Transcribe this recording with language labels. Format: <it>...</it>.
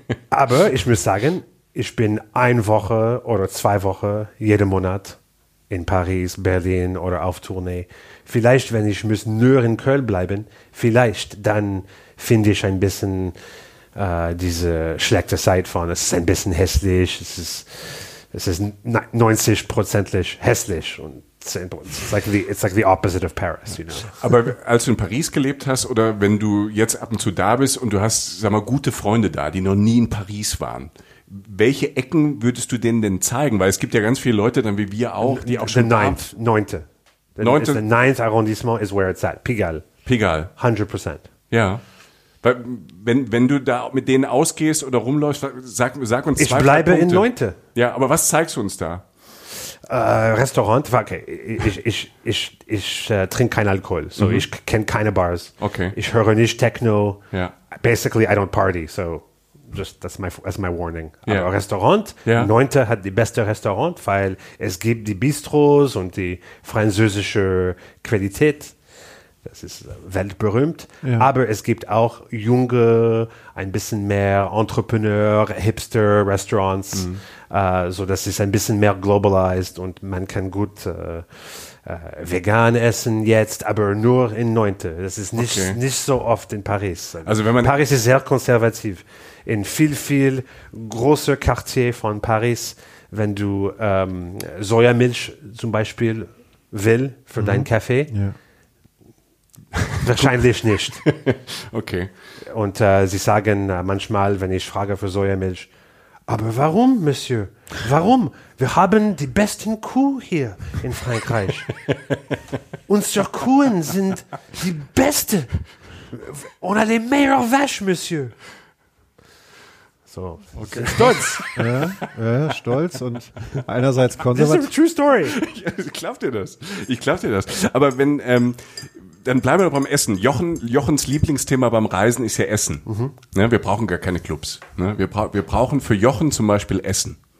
<de>Aber ich muss sagen, ich bin 1 Woche oder 2 Wochen jeden Monat in Paris, Berlin oder auf Tournee. Vielleicht, wenn ich muss nur in Köln bleiben, vielleicht dann finde ich ein bisschen diese schlechte Seite von, es ist ein bisschen hässlich, es ist 90% hässlich und 10%.</de> <en>It's like the opposite of Paris, you know.</en> <de>Aber als du in Paris gelebt hast oder wenn du jetzt ab und zu da bist und du hast, sag mal, gute Freunde da, die noch nie in Paris waren, welche Ecken würdest du denen denn zeigen? Weil es gibt ja ganz viele Leute dann wie wir auch, die auch schon Neunte. Neunte.</de> <en>The ninth arrondissement is where it's at. Pigalle.</en> <de>100%. Ja. Weil wenn du da mit denen ausgehst oder rumläufst, sag uns 2 Punkte. Ich bleibe in Neunte. Ja, aber was zeigst du uns da? Restaurant, okay, ich trinke keinen Alkohol, so mhm. Ich kenne keine Bars,</de> <en>okay.</en> <de>Ich höre nicht Techno,</de> <en>yeah. Basically I don't party, so just that's my warning. Yeah.</en> <de>Aber Restaurant,</de> <en>yeah.</en> <de>9. hat die beste Restaurant, weil es gibt die Bistros und die französische Qualität, das ist weltberühmt,</de> <en>yeah.</en> <de>Aber es gibt auch junge, ein bisschen mehr Entrepreneur, Hipster Restaurants, mhm. So das ist ein bisschen mehr globalized und man kann gut vegan essen jetzt, aber nur in 9. Das ist nicht, okay. Nicht so oft in Paris. Also wenn man Paris ist sehr konservativ. In viel, viel großer Quartier von Paris, wenn du Sojamilch zum Beispiel willst für deinen Kaffee, ja. Wahrscheinlich nicht. Okay. Und sie sagen manchmal, wenn ich frage für Sojamilch, aber warum, Monsieur? Warum? Wir haben die besten Kuh hier in Frankreich. Unsere Kuhen sind die beste.</de> <fr>On a les meilleures vaches, Monsieur.</fr> <en>So.</en> <de>Okay. Stolz. Stolz und einerseits konservativ. Das ist eine true story. Klappt dir das? Ich klapp dir das. Aber wenn, dann bleiben wir doch beim Essen. Jochens Lieblingsthema beim Reisen ist ja Essen. Mhm. Ne, wir brauchen gar keine Clubs. Ne, wir brauchen für Jochen zum Beispiel Essen.</de>